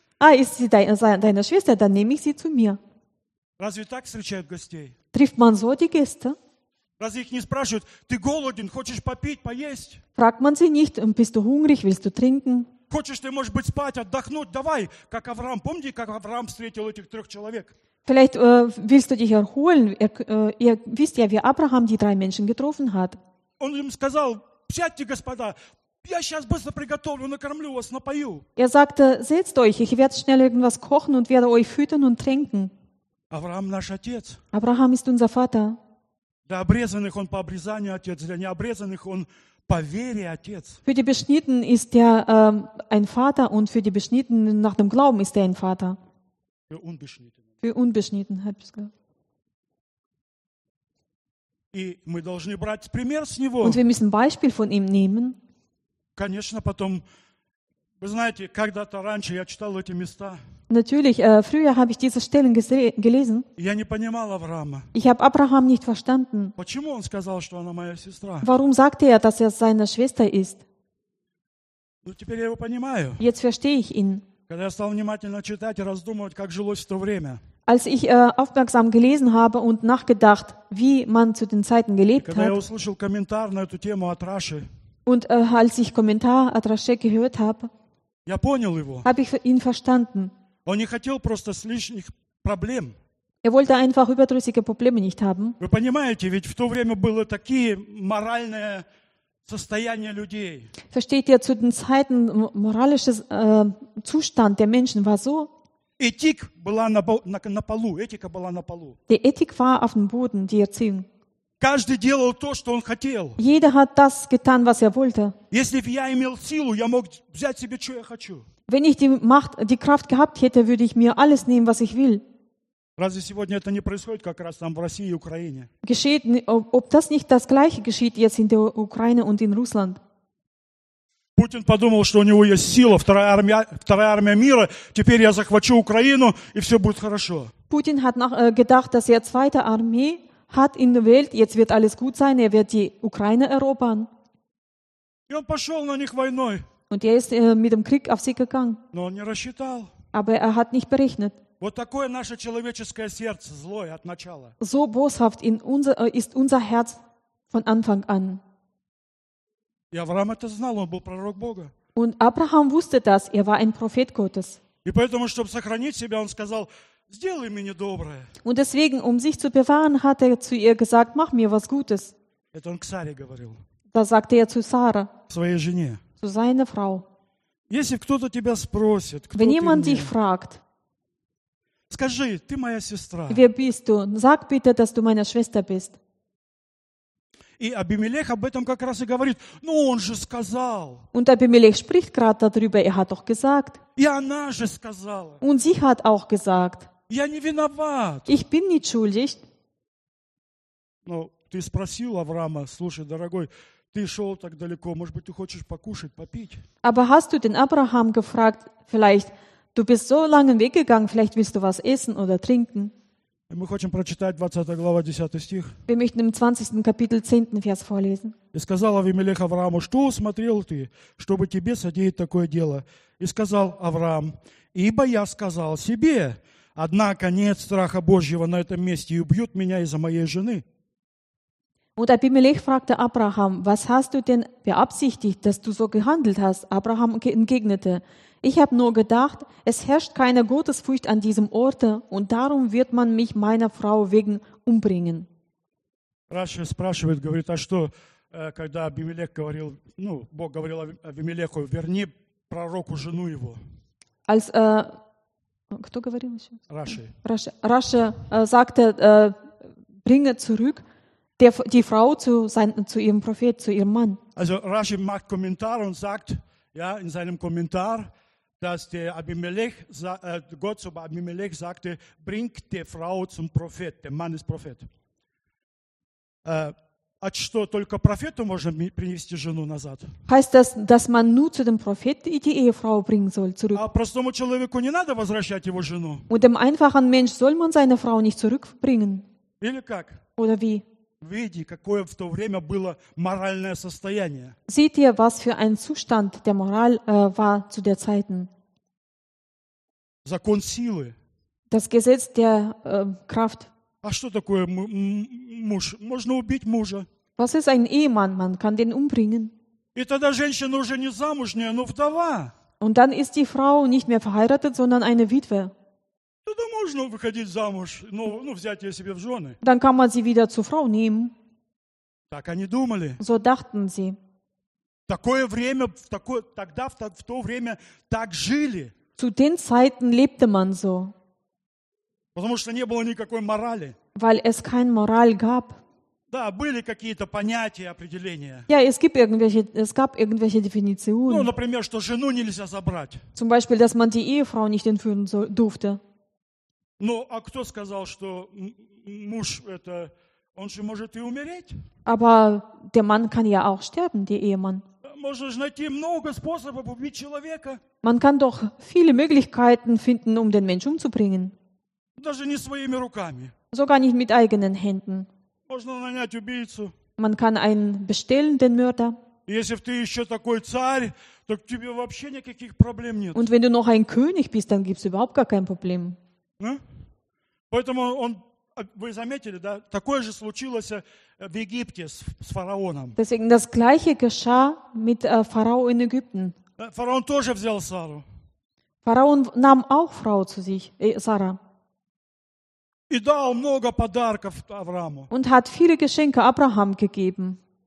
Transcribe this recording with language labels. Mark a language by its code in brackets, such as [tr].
[de] А, ist sie deine Schwester, dann nehme ich sie zu mir. [ru] Разве так встречают гостей? [de] Trifft man so die Gäste? [ru] Разве их не спрашивают, ты голоден, хочешь попить, поесть? [de] Fragt man sie nicht, bist du hungrig, willst du trinken? [ru] Хочешь ты, может быть, спать, отдохнуть, давай, как Авраам. Помните, как Авраам встретил этих трех человек? [de] Vielleicht willst du dich erholen. Ihr wisst ja, wie Abraham die drei Menschen getroffen hat. [ru] Он им сказал, сядьте, господа, я сейчас быстро приготовлю, накормлю вас, напою. [de] Er sagte, setzt euch, ich werde schnell irgendwas kochen und werde euch füttern und trinken. [ru] Авраам наш отец. [de] Abraham ist unser Vater. [ru] Для обрезанных он по обрезанию отец, для необрезанных он по вере отец. [de] Für die Beschnitten ist er ein Vater und für die Beschnittenen nach dem Glauben ist er ein Vater. Für Unbeschnittene. Für Unbeschnitten, hat es gesagt. [ru] И мы должны брать пример с него. [de] Und wir müssen Beispiel von ihm nehmen. [ru] Конечно, потом, вы знаете, когда-то раньше я читал эти места. [de] Natürlich, früher habe ich diese Stellen gelesen. [ru] Я не понимал Авраама. [de] Ich habe Abraham nicht verstanden. [ru] Почему он сказал, что она моя сестра? [de] Warum sagte er, dass er seine Schwester ist? [ru] Ну, теперь я его понимаю. [de] Jetzt verstehe ich ihn. [ru] Когда я стал внимательно читать и раздумывать, как жилось в то время. [de] Als ich aufmerksam gelesen habe und nachgedacht, wie man zu den Zeiten gelebt hat. [ru] Когда я услышал комментар на эту тему от Раши. [de] Und als ich Kommentar [ru] от Раши [de] gehört habe. [ru] Я понял его. [de] Habe ich ihn verstanden. [ru] Он не хотел просто лишних проблем. [de] Er wollte einfach überdrüssige Probleme nicht haben. [ru] Вы понимаете, ведь в то время было такие моральное состояние людей. [de] Versteht ihr, zu den Zeiten moralisches Zustand der Menschen war so. [ru] Этик была на полу. Этика была на полу. [de] Die Ethik war auf dem Boden, die Erziehung. [ru] Каждый делал то, что он хотел. [de] Jeder hat das getan, was er wollte. [ru] Если бы я имел силу, я мог взять себе, что я хочу. [de] Wenn ich die Macht, die Kraft gehabt hätte, würde ich mir alles nehmen, was ich will. [ru] Разве сегодня это не происходит как раз там в России и Украине? [de] Geschieht, ob das nicht das Gleiche geschieht jetzt in der Ukraine und in Russland? [ru] Путин подумал, что у него есть сила, вторая армия мира, теперь я захвачу Украину, и все будет хорошо. [de] Путин hat gedacht, dass er zweite Armee hat in der Welt, jetzt wird alles gut sein, er wird die Ukraine erobern. [ru] И он пошел на них войной. [de] Und er ist mit dem Krieg auf sie gegangen. Aber er hat nicht berechnet. [ru] Вот такое наше человеческое сердце, злое от начала. [de] So boshaft ist unser Herz von Anfang an. [ru] И Авраам это знал, он был пророк Бога. [de] Und Abraham wusste das, er war ein Prophet Gottes. [ru] И поэтому, чтобы сохранить себя, он сказал, сделай мне доброе. [de] Und deswegen, um sich zu bewahren, hat er zu ihr gesagt, mach mir was Gutes. [ru] Это он к Саре говорил. [de] Das sagte er zu Sarah. [ru] Своей жене. [de] Zu seiner Frau. [ru] Если кто-то тебя спросит, кто [de] Wenn jemand dich fragt, [ru] скажи, ты моя сестра. [de] Wer bist du? Sag bitte, dass du meine Schwester bist. [ru] И Абимелех об этом как раз и говорит. Ну, он же сказал. [de] Und Abimelech spricht gerade darüber. Er hat doch gesagt. [ru] И она же сказала. [de] Und sie hat auch gesagt. [ru] Я не виноват. [de] Ich bin nicht schuldig. [ru] Ну, ты спросил Авраама, слушай, дорогой, ты шел так далеко, может быть, ты хочешь покушать, попить? [de] Aber hast du den Abraham gefragt, vielleicht, du bist so langen Weg gegangen, vielleicht willst du was essen oder trinken? [ru] И мы хотим прочитать 20 глава, 10 стих. [de] Wir möchten im 20. Kapitel, 10. Vers vorlesen. [ru] И сказал Авимелех Аврааму, что усмотрел ты, чтобы тебе содеять такое дело? И сказал Авраам, ибо я сказал себе, однако нет страха Божьего на этом месте, и убьют меня из-за моей жены. [de] Und Abimelech fragte Abraham, was hast du denn beabsichtigt, dass du so gehandelt hast? Abraham entgegnete, ich habe nur gedacht, es herrscht keine Gottesfurcht an diesem Orte und darum wird man mich meiner Frau wegen umbringen. [ru] Rashi спрашивает, говорит, а что, когда Абимелех говорил, ну, Бог говорил Абимелеху, верни пророку жену его. [de] Als, [ru] кто говорил еще? [de] Rashi. Rashi sagte, bringe zurück. Die Frau zu ihrem Prophet, zu ihrem Mann. Also Rashi macht einen Kommentar und sagt, ja, in seinem Kommentar, dass der Abimelech, Gott zu Abimelech sagte, bring die Frau zum Prophet, der Mann ist Prophet. [ru] Что, только Prophet можно принести жену назад? [de] Heißt das, dass man nur zu dem Prophet die Ehefrau bringen soll, zurück? [ru] А простому человеку не надо возвращать его жену? [de] Und dem einfachen Mensch soll man seine Frau nicht zurückbringen? [ru] Или как? [de] Oder wie? [ru] Види, какое в то время было моральное состояние. [de] Seht ihr, was für ein Zustand der Moral war zu der Zeiten? [ru] Закон силы. [de] Das Gesetz der Kraft. [ru] А что такое муж? Можно убить мужа. [de] Was ist ein Ehemann? Man kann den umbringen. [ru] И тогда женщина уже не замужняя, но вдова. [de] Und dann ist die Frau nicht mehr verheiratet, sondern eine Witwe. [ru] Тогда можно выходить замуж, но, ну, взять ее себе в жены. [de] Dann kann man sie wieder zur Frau nehmen. [ru] Так они думали. [de] So dachten sie. [ru] Такое время, в то время так жили. [de] Zu den Zeiten lebte man so. [ru] Потому что не было никакой морали. [de] Weil es kein Moral gab. [ru] Да, были какие-то понятия, определения. [de] Ja, es gibt irgendwelche, Definitionen. [ru] Ну, например, что жену нельзя забрать. [de] Zum Beispiel, dass man die Ehefrau nicht entführen durfte. [ru] Ну, а кто сказал, что муж это, он же может и умереть? [de] Aber der Mann kann ja auch sterben, der Ehemann. [ru] Можно же найти много способов убить человека. [de] Man kann doch viele Möglichkeiten finden, um den Menschen umzubringen. [ru] Даже не своими руками. [de] Sogar nicht mit eigenen Händen. [ru] Можно нанять убийцу. [de] Man kann einen bestellen, den Mörder. [ru] Если ты еще такой царь, то тебе вообще никаких проблем нет. [de] Und wenn du noch ein König bist, dann gibt's überhaupt gar kein Problem. Ne? [ru] Поэтому он, вы заметили, да, такое же случилось в Египте с фараоном. [de] Deswegen das gleiche geschah mit Pharao in Ägypten. [ru] Фараон тоже взял Сару. [de] Фараон нам auch Frau zu sich, Sarah. [ru] И дал много подарков Аврааму. [de] Und hat viele Geschenke Abraham gegeben.